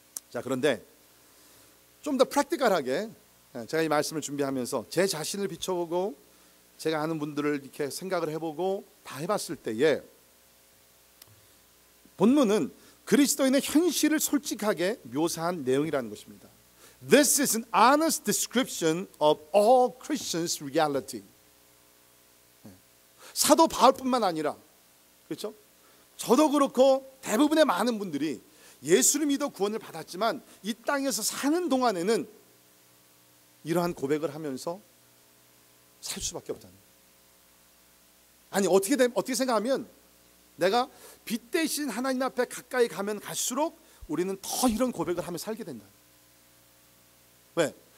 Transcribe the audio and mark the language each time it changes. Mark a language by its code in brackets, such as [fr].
[ko] 자, 그런데 좀 더 practical하게 제가 이 말씀을 준비하면서 제 자신을 비춰보고 제가 아는 분들을 이렇게 생각을 해보고 다 해봤을 때에 본문은 그리스도인의 현실을 솔직하게 묘사한 내용이라는 것입니다. [en] This is an honest description of all Christians' reality. [ko] 사도 바울뿐만 아니라 그렇죠? 저도 그렇고 대부분의 많은 분들이 예수를 믿어 구원을 받았지만 이 땅에서 사는 동안에는 이러한 고백을 하면서 살 수밖에 없다는 아니 어떻게 생각하면 내가 빛 대신 하나님 앞에 가까이 가면 갈수록 우리는 더 이런 고백을 하며 살게 된다. 왜?